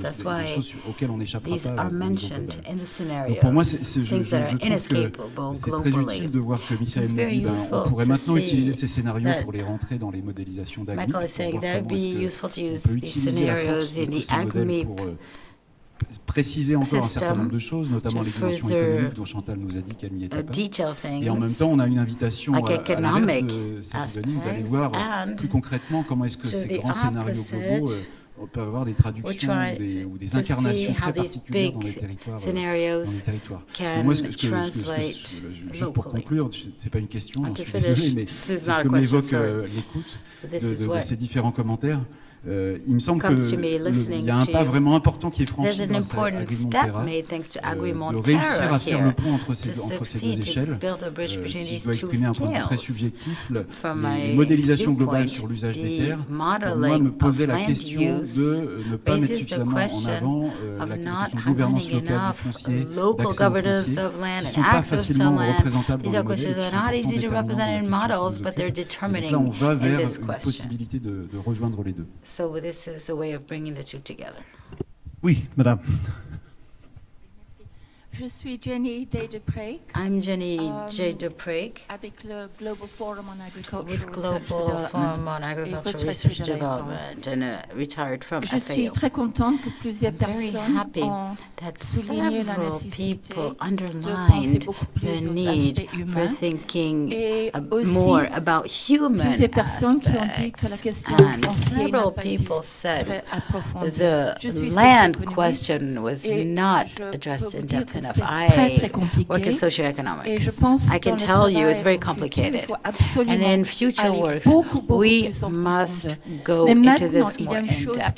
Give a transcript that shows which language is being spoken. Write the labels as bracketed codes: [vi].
[en] That's why these are mentioned in the scenarios, [fr] pour moi, [en] things that are inescapable globally. It's very useful to see that Michael is saying that it would be useful to use these scenarios in the AGMIP [fr] préciser encore un certain nombre de choses, notamment les dimensions économiques dont Chantal nous a dit qu'elle n'y était pas. Et en même temps, on a une invitation à la Cérémonie d'aller voir plus concrètement comment est-ce que ces grands scénarios globaux peuvent avoir des traductions ou des incarnations très particulières dans les territoires. Moi, juste pour conclure, c'est pas une question, je suis désolé, mais c'est ce que m'évoque l'écoute de ces différents commentaires. Il me semble qu'il y a un pas vraiment important qui est franchi grâce à Agrimonde-Terra, de réussir à faire le pont entre ces deux échelles. Si je dois exprimer un point de vue très subjectif, les modélisations globales sur l'usage des terres, pour moi, me posaient la question de ne pas mettre suffisamment en avant la question de gouvernance locale du foncier, d'accès au foncier, qui ne sont pas facilement représentables dans le modèle, et qui sont pourtant déterminants dans la question de la possibilité de rejoindre les deux. [en] So this is a way of bringing the two together. [fr] Oui, madame. Je suis Jenny Day-de-Preek. [en] I'm Jenny Day-de-Preek. [fr] Avec le Global Forum on Agricultural [en] with Global Forum on Agricultural Research Development and retired from [fr] je Je suis très contente que plusieurs personnes ont souligné la nécessité de penser beaucoup plus aux aspects humains [en] for thinking more about human aspects. [fr] Plusieurs personnes qui ont dit que la question foncière n'a pas été très approfondie. [en] The land question was not addressed in depth. Enough. I work in socioeconomics. [fr] Et je pense [en] I can tell you it's very complicated. Future, and in future works, [fr] beaucoup [en] we must go into this more in depth.